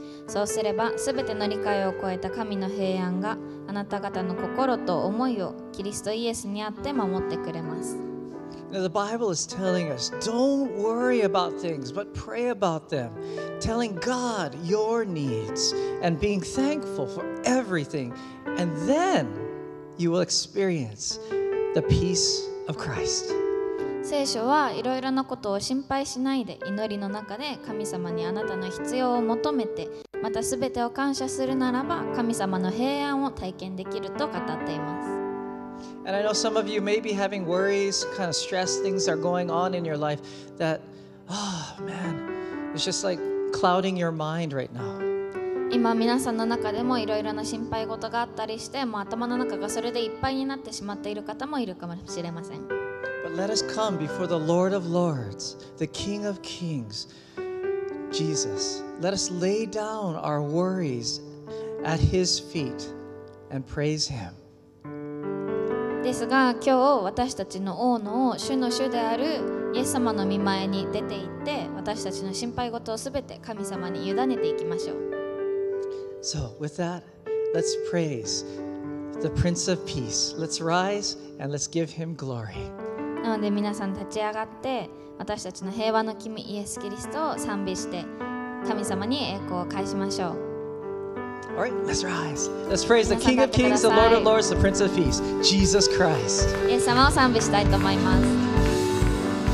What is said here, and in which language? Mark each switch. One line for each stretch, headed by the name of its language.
Japanese: そうすればすべての理解を超えた神の平安があなた方の心と思いをキリストイエスにあって守ってくれます。
English: Now, the Bible is telling us, don't worry about things, but pray about them, telling God your needs and being thankful for everything, and then you will experience the peace of Christ.
Japanese: 聖書はいろいろなことを心配しないで祈りの中で神様にあなたの必要を求めて、またすべてを感謝するならば神様の平安を体験できると語っています。
English: And I know some of you may be having worries, kind of stress, things are going on in your life that, oh man, it's just like clouding your mind right now.
Japanese: 今皆さんの中でもいろいろな心配事があったりして、もう頭の中がそれでいっぱいになってしまっている方もいるかもしれません。
English: But let us come before the Lord of Lords, the King of Kings, Jesus. Let us lay down our worries at His feet and praise Him.
Japanese: ですが今日私たちの王の王主の主であるイエス様の御前に出て行って私たちの心配事をすべて神様に委ねていきましょう。
English: So with that, let's praise the Prince of Peace. Let's rise and let's give Him glory.
Japanese: なので皆さん立ち上がって私たちの平和の君イエスキリストを賛美して神様に栄光を返しましょう。
English: All right, let's rise. Let's praise the King of Kings, the Lord of Lords, the Prince of Peace, Jesus Christ.
Japanese: イエス様を賛美したいと思います。